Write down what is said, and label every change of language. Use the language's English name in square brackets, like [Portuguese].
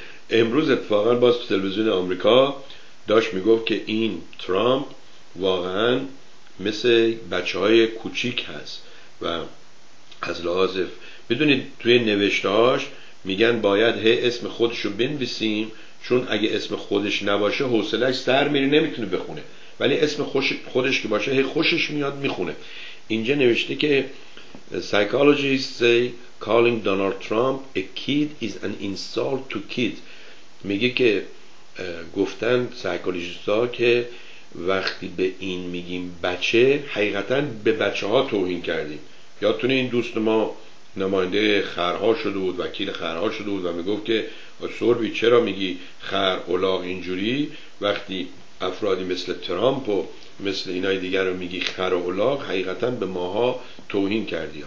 [Persian] امروز اتفاقا باز تلویزیون آمریکا داشت میگفت که این ترامپ واقعا مثل بچه های کوچیک هست و از لحاظ میدونید توی نوشتهاش میگن باید هی اسم خودشو بنویسیم، چون اگه اسم خودش نباشه حوصله‌اش سر میره نمیتونه بخونه، ولی اسم خودش که باشه هی خوشش میاد میخونه. اینجا نوشته که [English] psychologists say calling Donald Trump a kid is an insult to kids. [Persian] میگه که گفتن سایکولوژیست ها که وقتی به این میگیم بچه، حقیقتا به بچه ها توهین کردیم. یادتونه این دوست ما نماینده خرها شده بود، وکیل خرها شده بود و میگفت که سوربی چرا میگی خر الاغ اینجوری، وقتی افرادی مثل ترامپ و مثل اینای دیگر رو میگی خر الاغ، حقیقتا به ماها توهین کردی.